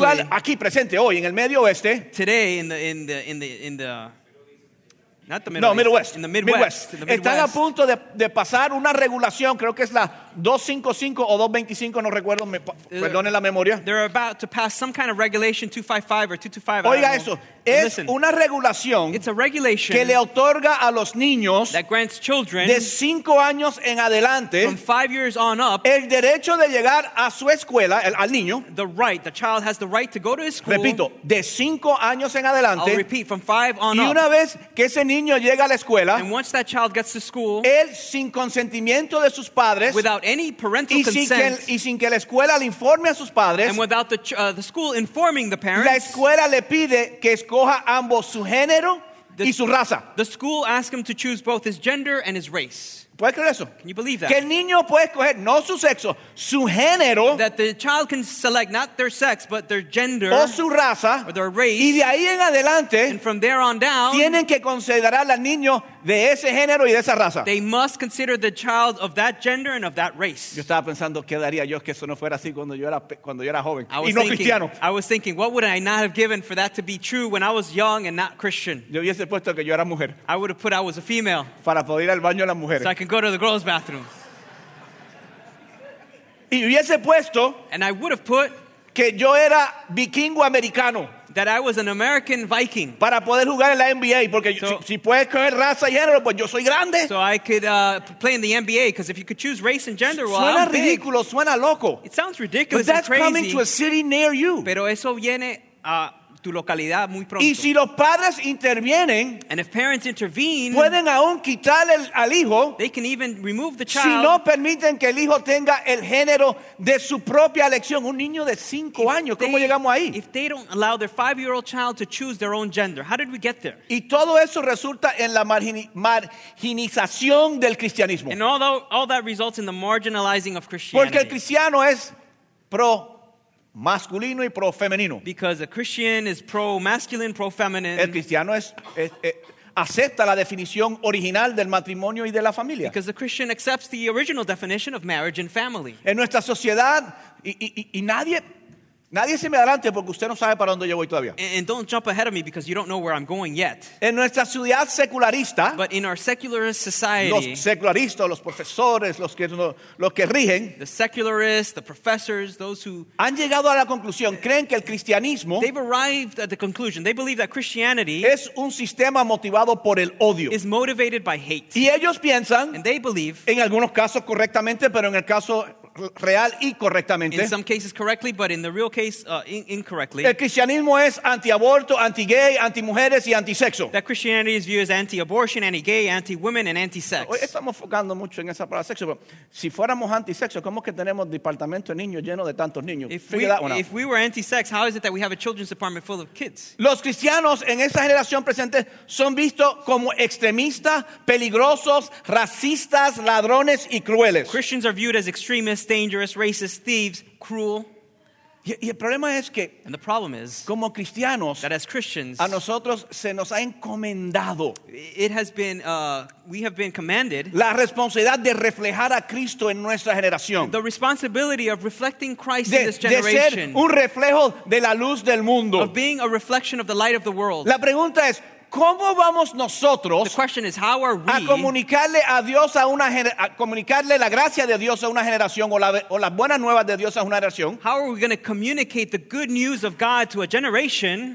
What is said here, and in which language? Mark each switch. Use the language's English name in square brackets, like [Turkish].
[Spanish] lugar aquí presente hoy en el Medio Oeste. [English] Today in the not the Middle, no, Middle East, West. In the Midwest. In the Midwest. [Spanish] Están a punto de pasar una regulación, creo que es la 255 o 225, no recuerdo, perdone la memoria. [English] They're about to pass some kind of regulation, 255 or 225. [Spanish] Oiga eso, es una regulación que le otorga a los niños [English] that grants children [Spanish] de 5 años en adelante [English] from 5 years on up [Spanish] el derecho de llegar a su escuela, al niño. [English] The right, the child has the right to go to his school. [Spanish] Repito, de 5 años en adelante. [English] I'll repeat, from 5 on up. [Spanish] Y una vez que ese niño llega a la escuela, [English] and once that child gets to school, [Spanish] él sin consentimiento de sus padres, [English] without any parental consent, [Spanish] y sin que la escuela le informe a sus padres, [English] and without the school informing the parents, [Spanish] la escuela le pide que escoja ambos su género y su raza. [English] The school asks him to choose both his gender and his race. [Spanish] ¿Puedes creer eso? [English] Can you believe that? [Spanish] Que el niño puede escoger no su sexo, su género. [English] That the child can select not their sex, but their gender. [Spanish] O su raza. [English] Or their race. [Spanish] Y de ahí en adelante. [English] And from there on down. [Spanish] Tienen que considerar al niño de ese género y de esa raza. [English] They must consider the child of that gender and of that race. [Spanish] Yo estaba pensando, ¿qué daría yo que eso no fuera así cuando yo era joven? Y no cristiano. [English] I was thinking, what would I not have given for that to be true when I was young and not Christian? [Spanish] Yo hubiese puesto que yo era mujer. [English] I would have put I was a female. [Spanish] Para poder ir al baño de las mujeres. [English] So I can go to the girls' bathroom. [Spanish] Y hubiese puesto. [English] And I would have put. [Spanish] Que yo era vikingo americano. [English] That I was an American Viking. [Spanish] Para poder jugar en la NBA, porque si puedes coger raza y género, pues yo soy grande. [English] So I could play in the NBA, because if you could choose race and gender, well, [Spanish] suena ridículo, suena loco. [English] It sounds ridiculous. But that's coming to a city near you. [Spanish] Pero eso viene a tu localidad muy pronto. Y si los padres intervienen, [English] and if parents intervene, [Spanish] pueden aún quitarle al hijo, [English] they can even remove the child. [Spanish] Si no permiten que el hijo tenga el género de su propia elección, un niño de 5 años, ¿cómo llegamos ahí? [English] If they don't allow their 5-year-old child to choose their own gender, how did we get there? [Spanish] Y todo eso resulta en la marginización del cristianismo. [English] And all that results in the marginalizing of Christianity. [Spanish] Porque el cristiano es pro masculino y pro femenino. [English] Because a Christian is pro masculine, pro feminine. [Spanish] El cristiano acepta la definición original del matrimonio y de la familia. [English] Because the Christian accepts the original definition of marriage and family. [Spanish] En nuestra sociedad y nadie se me adelante porque usted no sabe para dónde yo voy todavía. [English] And don't jump ahead of me because you don't know where I'm going yet. [Spanish] En nuestra ciudad secularista, [English] but in our secularist society, [Spanish] los secularistas, los profesores, los que rigen, [English] the secularists, the professors, those who [Spanish] han llegado a la conclusión, creen que el cristianismo, [English] they've arrived at the conclusion, they believe that Christianity [Spanish] es un sistema motivado por el odio, [English] is motivated by hate. [Spanish] Y ellos piensan, [English] and they believe, [Spanish] en algunos casos correctamente, pero en el caso real y correctamente. [English] In some cases correctly, but in the real case, incorrectly. [Spanish] El cristianismo es anti-aborto, anti-gay, anti-mujeres y anti-sexo. [English] That Christianity's view is anti-abortion, anti-gay, anti-women, and anti-sex. [Spanish] Hoy estamos enfocando mucho en esa palabra sexo, pero si fuéramos anti-sexo, ¿cómo es que tenemos departamento de niños lleno de tantos niños? [English] If we were anti-sex, how is it that we have a children's department full of kids? [Spanish] Los cristianos en esta generación presente son vistos como extremistas, peligrosos, racistas, ladrones y crueles. [English] Christians are viewed as extremists, dangerous, racist, thieves, cruel. [Spanish] Y el problema es que, [English] and the problem is, [Spanish] como cristianos, [English] that as Christians, [Spanish] a nosotros se nos ha encomendado, [English] it has been, we have been commanded, [Spanish] la responsabilidad de reflejar a Cristo en nuestra generación, [English] the responsibility of reflecting Christ in this generation, [Spanish] de ser un reflejo de la luz del mundo, [English] of being a reflection of the light of the world. [Spanish] La pregunta es, ¿cómo vamos nosotros comunicarle la gracia de Dios a una generación o las buenas nuevas de Dios a una generación? [English] How are we going to communicate the good news of God to a generation